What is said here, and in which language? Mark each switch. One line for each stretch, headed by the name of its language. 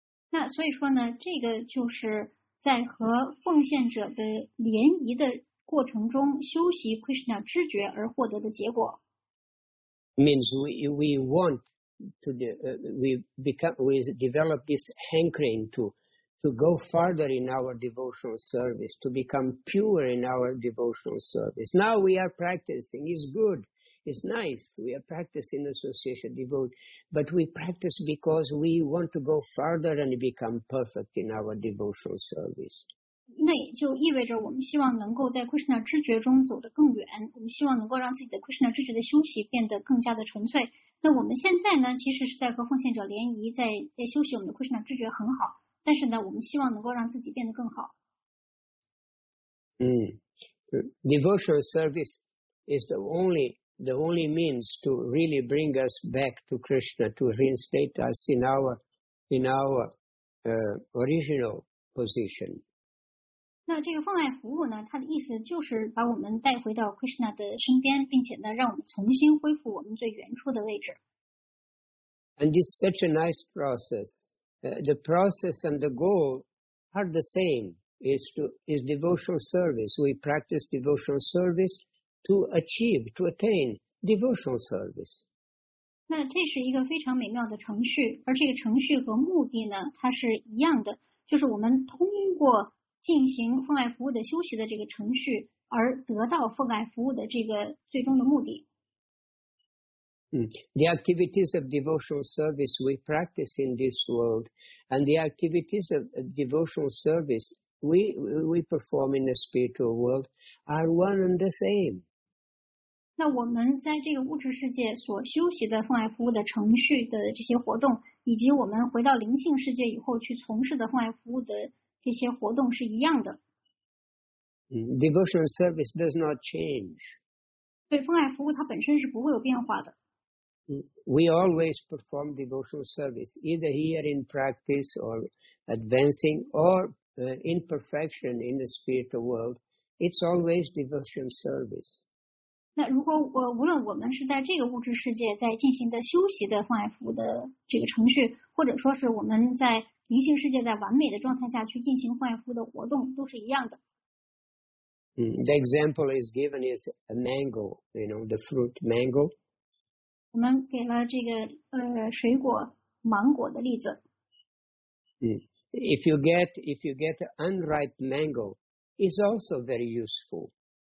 Chinese: 那所以说呢，这个就是在和奉献者的联谊的过程中修习 Krishna 知觉而获得的结果。
English: Means we want. To the, we become, we develop this hankering to go farther in our devotional service, to become pure in our devotional service. Now we are practicing, it's good, it's nice, we are practicing association devote, but we practice because we want to go farther and become perfect in our devotional service.
Chinese: 那也就意味着我们希望能够在 Krishna 知觉中走得更远，我们希望能够让自己的 Krishna 知觉的修习变得更加的纯粹。那我们现在呢，其实是在和奉献者联谊，在休息我们的 Krishna 知觉很好，但是呢，我们希望能够让自己变得更好。
English: Devotional service is the only the only means to really bring us back to Krishna, to reinstate us in our original position.
Chinese: 那这个奉爱服务呢，它的意思就是把我们带回到 Krishna 的身边，并且呢，让我们重新恢复我们最原初的位置。
English: And it's such a nice process. The process and the goal are the same. Is devotional service. We practice devotional service to achieve, to attain devotional service.
Chinese: 那这是一个非常美妙的程序，而这个程序和目的呢，它是一样的，就是我们通过进行奉爱服务的休息的这个程序，而得到奉爱服务的这个最终的目的。
English: The activities of devotional service we practice in this world, and the activities of devotional service we perform in the spiritual world are one and the same.
Chinese: 那我们在这个物质世界所休息的奉爱服务的程序的这些活动，以及我们回到灵性世界以后去从事的奉爱服务的这些活动是一样的。
English: Devotional service does not change.
Chinese: 对，奉爱服务它本身是不会有变化的。
English: We always perform devotional service, either here in practice or advancing, or in perfection in the spiritual world. It's always devotional service.
Chinese: 那如果无论我们是在这个物质世界在进行的休息的奉爱服务的这个程序，或者说是我们在灵性世界在完美的状态下去进行奉爱服务的活动，都是一样的。
English: The example is given is a mango, you know, the fruit mango.
Chinese: 我们给了这个水果芒果的例子。
English: If you get unripe mango, it's also very useful.